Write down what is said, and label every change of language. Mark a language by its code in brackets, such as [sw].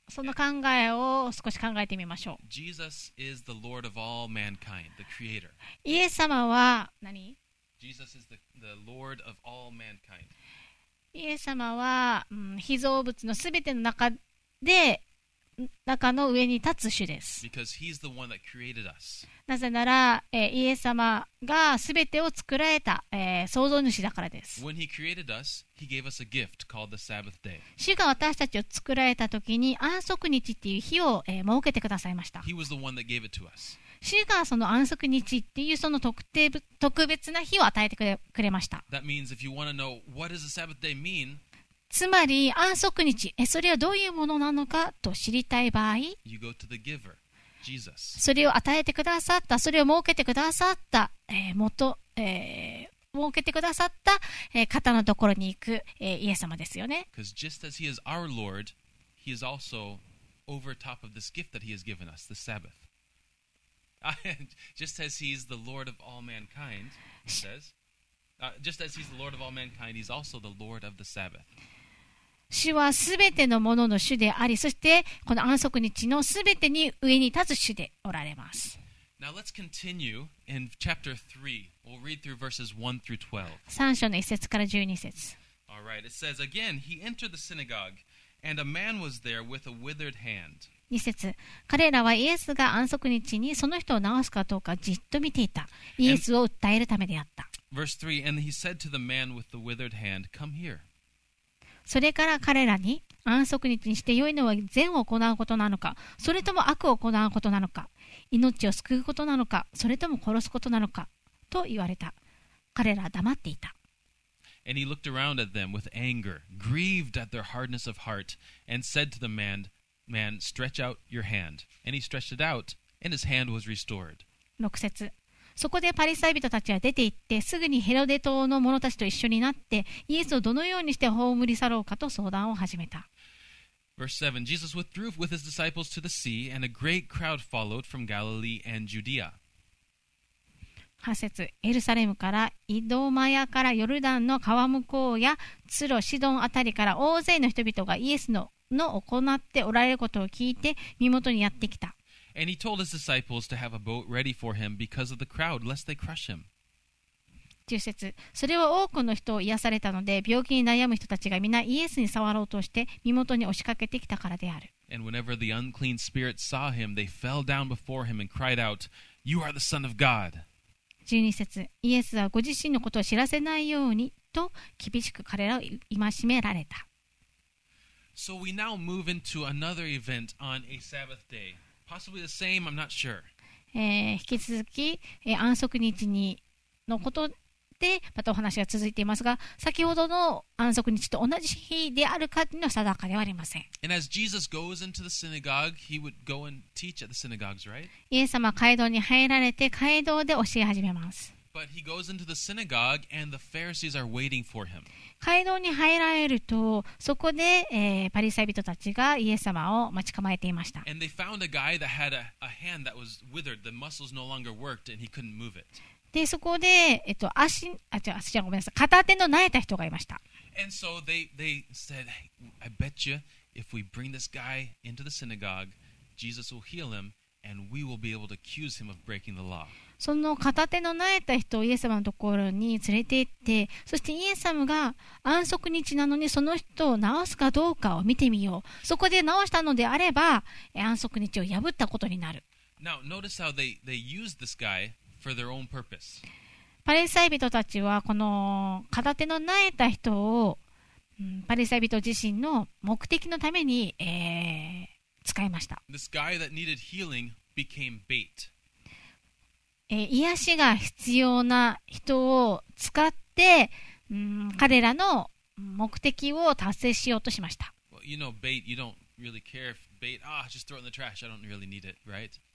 [ja] その考えを少し考えてみましょう。 [en] Jesus is the Lord of all mankind, the creator. [ja] イエス様は何？ [en] Jesus is the Lord of all mankind. [ja] イエス様は、被造物のすべての中で中の上に立つ主です。 [en] Because he's the one that created us. [ja] なぜなら、イエス様が全てを作られた、創造主だからです。 [en] When he created us, he gave us a gift called the Sabbath day. [ja] 主が私たちを作られた時に安息日っていう日を、設けてくださいました。 [en] He was the one that gave it to us. [ja] 主がその安息日っていうその特別な日を与えてくれました。 [en] That means if you want to know what does the Sabbath day mean, [ja] つまり安息日、それはどういうものなのかと知りたい場合、 [en] you go to the giver, Jesus. [ja] それを与えてくださった、それを設けてくださった、設けてくださった、方のところに行く、イエス様ですよね。 [en] Because just as he is our Lord, he is also over top of this gift that he has given us, the Sabbath. Just as he is the Lord of all mankind, he says, just as he's the Lord of all mankind, he's also the Lord of the Sabbath. [ja] 主はすべてのものの主であり、そしてこの安息日のすべてに上に立つ主でおられます。 [en] Now let's continue in chapter 3. We'll read through verses 1 through 12. [ja] 三章の一節から十二節。 [en] All right, it says again, he entered the synagogue, and a man was there with a withered hand. [ja] 二節、彼らはイエスが安息日にその人を治すかどうかじっと見ていた。イエスを訴えるためであった。 [en] Verse 3, and he said to the man with the withered hand, Come here. [ja] それから彼らに、安息日にして良いのは善を行うことなのか、それとも悪を行うことなのか、命を救うことなのか、それとも殺すことなのか、と言われた。彼らは黙っていた。 [en] And he looked around at them with anger, grieved at their hardness of heart, and said to the man, stretch out your hand. And he stretched it out, and his hand was restored. [ja] 6節、そこでパリサイ人たちは出て行って、すぐにヘロデ島の者たちと一緒になって、イエスをどのようにして葬り去ろうかと相談を始めた。 [en] Verse 7, Jesus withdrew with his disciples to the sea, and a great crowd followed from Galilee and Judea. [ja] 8節、エルサレムからイドマヤからヨルダンの川向こうやツロシドンあたりから大勢の人々がイエスのの行っておられることを聞いて身元にやってきた。 [en] And he told his disciples to have a boat ready for him because of the crowd, lest they crush him. [ja] 10節、それは多くの人を癒されたので、病気に悩む人たちが皆イエスに触ろうとして身元に押しかけてきたからである。 [en] And whenever the unclean spirits saw him, they fell down before him and cried out, You are the Son of God. [ja] 12節、イエスはご自身のことを知らせないようにと厳しく彼らを戒められた。 [en] So we now move into another event on a Sabbath day. Possibly the same, I'm not sure. [ja] 引き続き、安息日にのことでまたお話が続いていますが、先ほどの安息日と同じ日であるかというのは定かではありません。 [en] And as Jesus goes into the synagogue, he would go and teach at the synagogues, right? [ja] イエス様は会堂に入られて会堂で教え始めます。 [en] But he goes into the synagogue and the Pharisees are waiting for him. [ja] 会堂に入られると、そこで、パリサイ人たちがイエス様を待ち構えていました。 [en] And they found a guy that had a hand that was withered. The muscles no longer worked and he couldn't move it. [ja] で、そこで、足じゃごめんなさい。片手の萎えた人がいました。 [en] And so they said, I bet you if we bring this guy into the synagogue, Jesus will heal him and we will be able to accuse him of breaking the law. [ja] その片手の萎えた人をイエス様のところに連れて行って、そしてイエス様が安息日なのにその人を治すかどうかを見てみよう。そこで治したのであれば、安息日を破ったことになる。 [en] Now, notice how they use this guy for their own purpose. [ja] パリサイ人たちはこの片手の萎えた人を、パリサイ人自身の目的のために、使いました。 [en] This guy that needed healing became bait. [ja] 癒しが必要な人を使って、彼らの目的を達成しようとしました。 [en] Well, you know, bait, you don't really care if bait, ah, just throw it in the trash, I don't really need it, right?